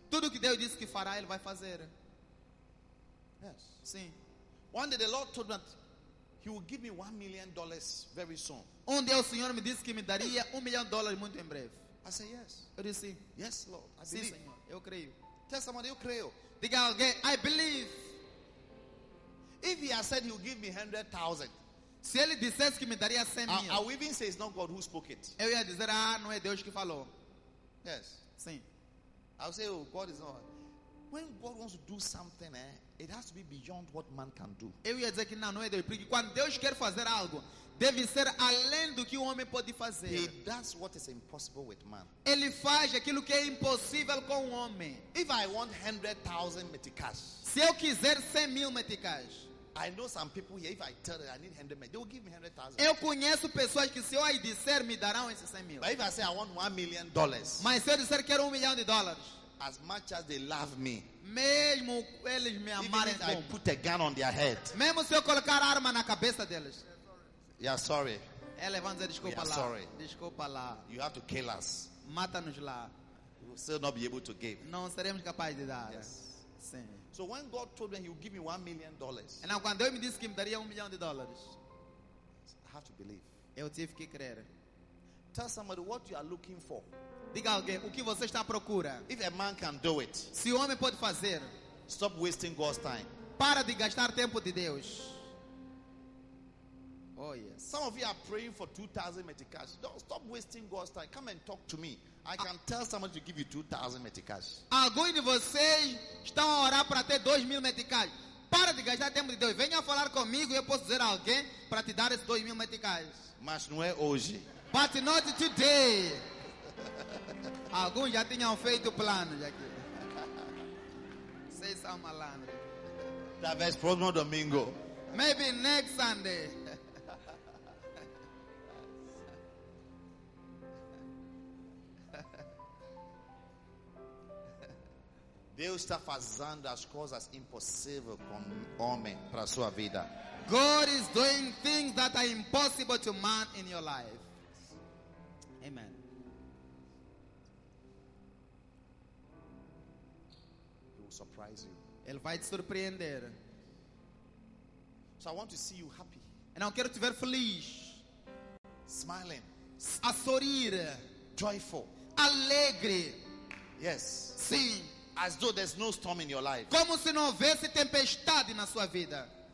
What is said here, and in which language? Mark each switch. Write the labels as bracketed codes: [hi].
[pt] Tudo que Deus disse que fará, ele vai fazer. [en] Yes. [pt] Sim. [en] One day the Lord told me that he will give me $1 million very soon. [pt] Um dia o Senhor me disse que me daria $1 million muito em breve. [en] I say yes. [pt] Eu disse sim. [en] Yes, Lord. I [pt] sim, [en] believe. [pt] Senhor. Eu creio. [en] Tell somebody, [pt] eu creio. Diga alguém, [en] I believe. If he has said he will give me 100,000. [pt] Se ele dissesse que me daria 100,000. [en] I will even say it's not God who spoke it. [pt] Eu ia dizer, ah, não é Deus que falou. [en] Yes. [pt] Sim. [en] I will say, oh, God is not. When God wants to do something, it has to be beyond what man can do. [pt] Eu ia dizer que não é Deus, porque quando Deus quer fazer algo, deve ser além do que o homem pode fazer. [en] He does what is impossible with man. [pt] Ele faz aquilo que é impossível com o homem. [en] If I want 100,000 meticais, [pt] se eu quiser 100,000 meticais, [en] I know some people here. If I tell them I need 100,000, they will give me 100,000. [pt] Eu conheço pessoas que se eu disser me darão esses 100,000. [en] But if I say I want $1 million, [pt] mas se eu disser quero $1 million. [en] As much as they love me, [pt] mesmo eles me amarem, [en] I put a gun on their head. [pt] Mesmo se eu colocar arma na cabeça deles, [en] yeah, sorry. [pt] Ele vai dizer desculpa lá. [en] Sorry. [pt] Desculpa lá. [en] You have to kill us. [pt] mata-nos lá. [en] We will still not be able to give. [pt] Não seremos capazes de dar. [en] Yes. [pt] Sim. [en] So when God told me he would give me $1 million. [pt] E now, quando ele me disse que me daria $1 million. [en] I have to believe. [pt] Eu tive que crer. [en] Tell somebody what you are looking for. [pt] Diga alguém o que você está à procura. [en] If a man can do it. [pt] Se o homem pode fazer. [en] Stop wasting God's time. [pt] Para de gastar tempo de Deus. [en] Oh yes. Some of you are praying for 2,000 meticais. Don't stop wasting God's time. Come and talk to me. I can tell someone to give you 2,000 meticais. [pt] Alguns de vocês estão a orar para ter 2,000 meticais. Para de gastar tempo de Deus. Venha falar comigo e eu posso dizer a alguém para te dar esses 2,000 meticais. Mas não é hoje. [en] But not today. [pt] Alguns já tinham feito planos aqui. Vocês são malandros. Talvez próximo domingo. [en] Maybe next Sunday. [pt] Deus está fazendo as coisas impossíveis com homem para sua vida. [en] God is doing things that are impossible to man in your life. Amen. He will surprise you. [pt] Ele vai te surpreender. [en] So I want to see you happy. [pt] And eu quero te ver feliz. [en] Smiling. [pt] A sorrir. [en] Joyful. [pt] Alegre. [en] Yes. [pt] Sim. [en] As though there's no storm in your life. [pt] Como se não houvesse tempestade na sua vida.